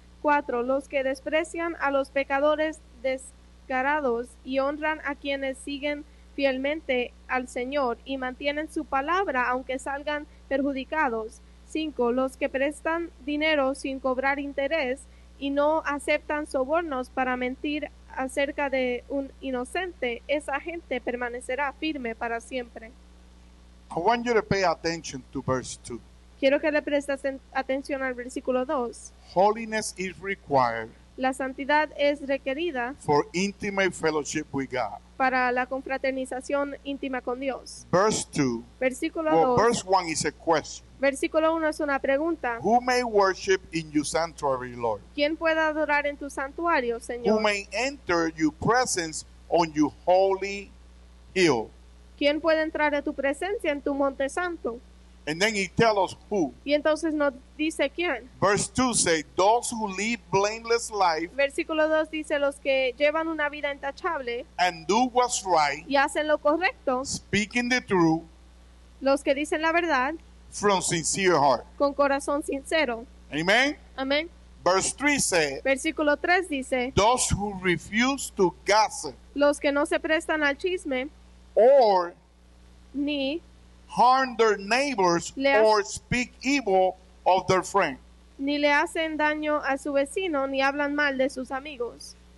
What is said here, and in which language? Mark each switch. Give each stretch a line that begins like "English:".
Spanish: Cuatro, los que desprecian a los pecadores descarados y honran a quienes siguen fielmente al Señor y mantienen su palabra aunque salgan perjudicados. 5. Los que prestan dinero sin cobrar interés y no aceptan sobornos para mentir acerca de un inocente, esa gente permanecerá firme para siempre.
English: I want you to pay attention to verse 2.
Spanish: Quiero que le prestes atención al versículo 2.
English: Holiness is required.
Spanish: La santidad es requerida
English: for intimate fellowship with God.
Spanish: Para la confraternización íntima con Dios.
English: Verse 2.
Spanish: Versículo
English: 2. Well, verse 1 is a question.
Spanish: Versículo 1 es una pregunta.
English: Who may worship in your sanctuary, Lord?
Spanish: ¿Quién puede adorar en tu santuario, Señor?
English: Who may enter your presence on your holy hill?
Spanish: ¿Quién puede entrar a tu presencia en tu monte santo?
English: And then he tells us who.
Spanish: Y entonces nos dice quién.
English: Verse 2 says, those who live blameless life.
Spanish: Versículo 2 dice, los que llevan una vida intachable.
English: And do what's right.
Spanish: Y hacen lo correcto.
English: Speaking the truth.
Spanish: Los que dicen la verdad.
English: From sincere heart.
Spanish: Con corazón sincero.
English: Amen.
Spanish: Amen.
English: Verse 3 says.
Spanish: Versículo 3 dice.
English: Those who refuse to gossip.
Spanish: Los que no se prestan al chisme.
English: Or.
Spanish: Ni.
English: Harm their neighbors or speak evil of their friend.
Spanish: Ni le hacen daño a su vecino ni hablan mal de sus amigos.